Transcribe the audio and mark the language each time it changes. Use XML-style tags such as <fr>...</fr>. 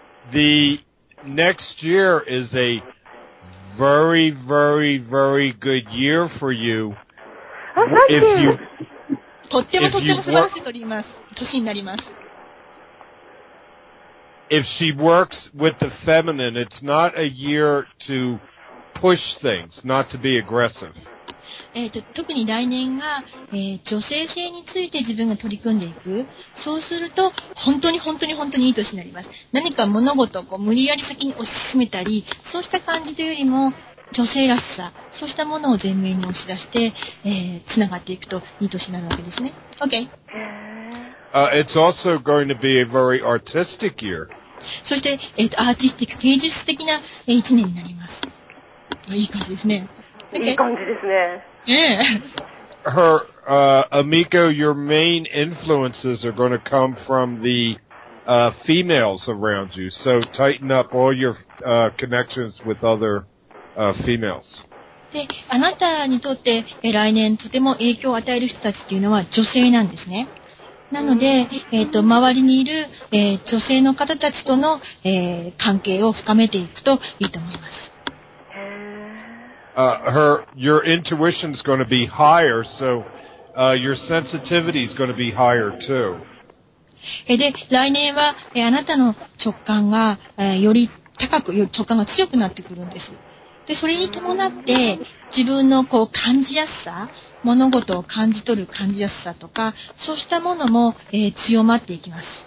<en>The next year is a very, very, very good year for you. If you,</en> <ja>とってもとっても素晴らしい年になります。</ja> <en>If she works with the feminine, it's not a year to push things, not to be aggressive.</en> <ja>特に来年が、女性性について自分が取り組んでいく。そうすると、本当に本当に本当にいい年になります。何か物事をこう無理やり先に押し進めたり、そうした感じというよりも、女性らしさ、そうしたものを前面に押し出して、つながっていくといい年になるわけですね。</ja> <en>OK。 It's also going to be a very artistic year.</en> <ja>そして、アーティスティック、芸術的な1年になります。いい感じですね。 Okay. いい感じですね。</ja> <en>Yeah. Her, Emiko, your main influences are going to come from the, females around you. So tighten up all your, connections with other, females.</en> <ja>で、あなたにとって来年とても影響を与える人たちというのは女性なんですね。なので、周りにいる、女性の方たちとの、関係を深めていくといいと思います。</ja> <en>Your intuition is going to be higher, so your sensitivity is going to be higher too.</en> <ja>で、来年は、あなたの直感が、より高く、直感が強くなってくるんです。で、それに伴って、自分のこう感じやすさ、物事を感じ取る感じやすさとか、そうしたものも、強まっていきます。</ja>